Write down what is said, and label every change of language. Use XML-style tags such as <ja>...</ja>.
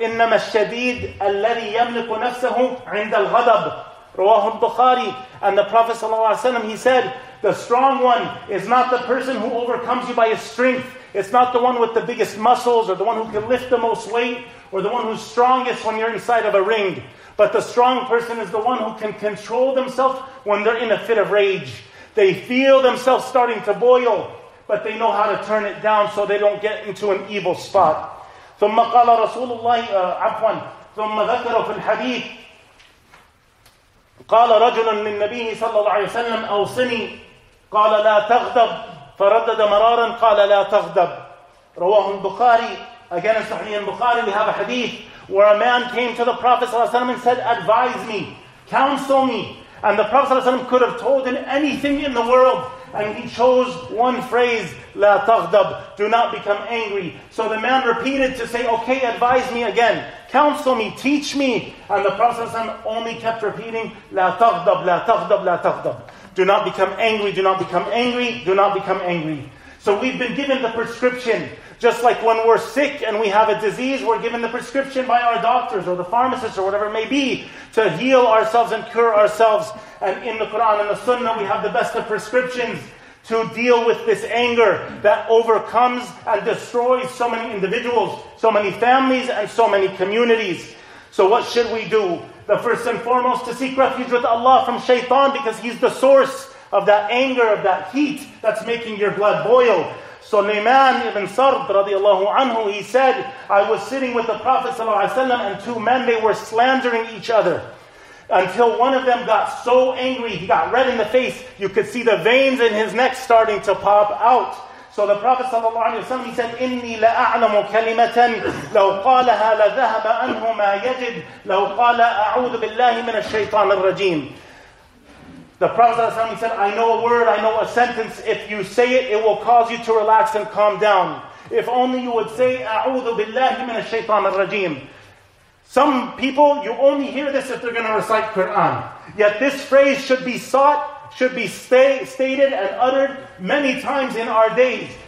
<ar>إنما الشديد الذي يملك نفسه عند الغضب. رواه البخاري.</ar> <en>And the Prophet صلى الله عليه وسلم, he said, the strong one is not the person who overcomes you by his strength. It's not the one with the biggest muscles or the one who can lift the most weight or the one who's strongest when you're inside of a ring. But the strong person is the one who can control themselves when they're in a fit of rage. They feel themselves starting to boil, but they know how to turn it down so they don't get into an evil spot.</en> <ar>ثم قال رسول الله عفوا ثم ذكر في الحديث قال رجل للنبي صلى الله عليه وسلم أوصني قال لا تغضب فردد مرارا قال لا تغضب رواه البخاري.</ar> <en>Again in Sahih al-Bukhari we have a hadith where a man came to the Prophet صلى الله عليه وسلم and said, advise me, counsel me. And the Prophet صلى الله عليه وسلم could have told him anything in the world, and he chose one phrase,</en> <ar>لا تغضب,</ar> <en>do not become angry. So the man repeated to say, okay, advise me again, counsel me, teach me. And the Prophet صلى الله عليه وسلم only kept repeating,</en> <ar>لا تغضب, لا تغضب, لا تغضب.</ar> <en>Do not become angry, do not become angry, do not become angry. So we've been given the prescription. Just like when we're sick and we have a disease, we're given the prescription by our doctors or the pharmacists or whatever it may be to heal ourselves and cure ourselves. And in the Quran and the Sunnah, we have the best of prescriptions to deal with this anger that overcomes and destroys so many individuals, so many families, and so many communities. So what should we do? The first and foremost, to seek refuge with Allah from shaitan, because he's the source of that anger, of that heat that's making your blood boil. So Naiman ibn Sard radiallahu anhu, he said, I was sitting with the Prophet sallallahu alaihi wasallam and two men, they were slandering each other. Until one of them got so angry, he got red in the face, you could see the veins in his neck starting to pop out. So the Prophet sallallahu alaihi wasallam, he said,</en> <ar>إِنِّي لَأَعْلَمُ كَلِمَةً لَوْ قَالَهَا لَذَهَبَ أَنْهُ مَا يَجِدْ لَوْ قَالَ أَعُوذُ بِاللَّهِ مِنَ الشَّيْطَانِ الرَّجِيمِ.</ar> <en>The Prophet ﷺ said, I know a word, I know a sentence. If you say it, it will cause you to relax and calm down. If only you would say,</en> <ar>أَعُوذُ بِاللَّهِ مِنَ الشَّيْطَانِ الرَّجِيمِ.</ar> <en>Some people, you only hear this if they're going to recite Quran. Yet this phrase should be sought, should be stated and uttered many times in our days.</en>